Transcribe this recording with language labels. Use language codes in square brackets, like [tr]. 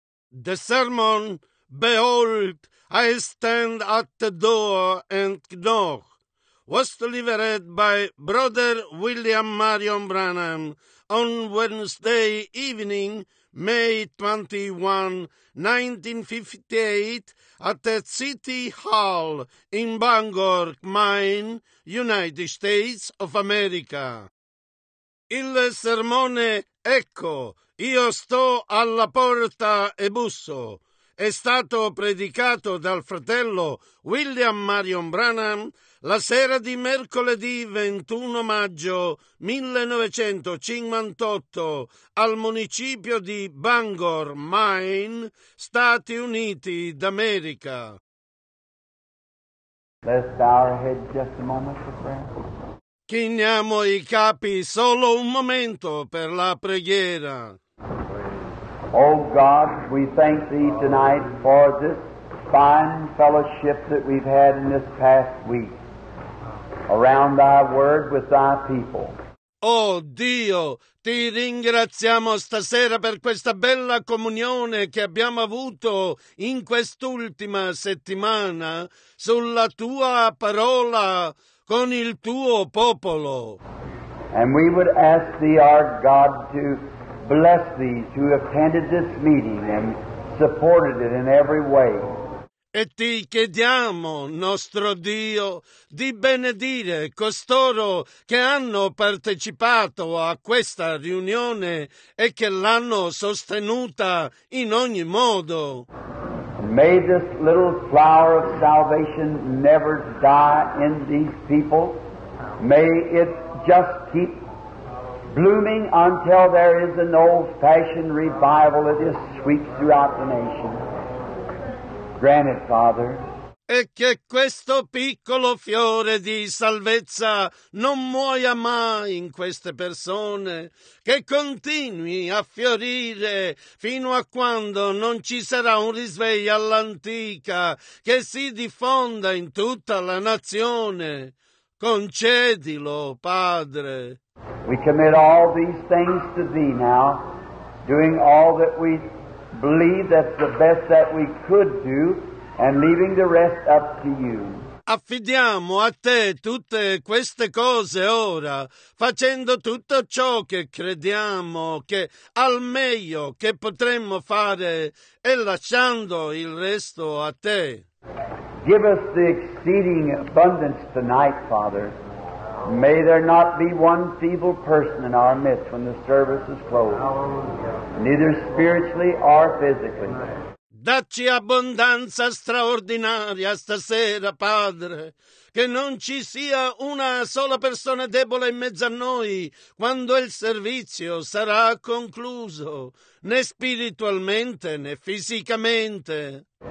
[en] The sermon, "Behold, I stand at the door and knock," was delivered by Brother William Marion Branham on Wednesday evening, May 21, 1958, at the City Hall in Bangor, Maine, United States of America. [it] Il sermone "Ecco, io sto alla porta e busso" è stato predicato dal fratello William Marion Branham la sera di mercoledì 21 maggio 1958 al municipio di Bangor, Maine, Stati Uniti d'America. [en] Let's bow our head just a moment for prayer. [it] Chiniamo i capi solo un momento per la preghiera. [en] Oh God, we thank Thee tonight for this fine fellowship that we've had in this past week around Thy Word with Thy people. [it] Oh Dio, Ti ringraziamo stasera per questa bella comunione che abbiamo avuto in quest'ultima settimana sulla Tua parola con il Tuo popolo. [en] And we would ask Thee, our God, to bless these who attended this meeting and supported it in every way. [it] E ti chiediamo, nostro Dio, di benedire costoro che hanno partecipato a questa riunione e che l'hanno sostenuta in ogni modo. [en] May this little flower of salvation never die in these people. May it just keep blooming until there is an old-fashioned revival that just sweeps throughout the nation. Grant it, Father. [it] E che questo piccolo fiore di salvezza non muoia mai in queste persone, che continui a fiorire fino a quando non ci sarà un risveglio all'antica che si diffonda in tutta la nazione. Concedilo, Padre. [en] We commit all these things to Thee now, doing all that we believe that's the best that we could do, and leaving the rest up to You. [it] Affidiamo a Te tutte queste cose ora, facendo tutto ciò che crediamo che al meglio che potremmo fare e lasciando il resto a Te. [en] Give us the exceeding abundance tonight, Father. May there not be one feeble person in our midst when the service is closed, neither spiritually or physically. [it] Dacci abbondanza straordinaria stasera, Padre, che non ci sia una sola persona debole in mezzo a noi quando il servizio sarà concluso, né spiritualmente né fisicamente.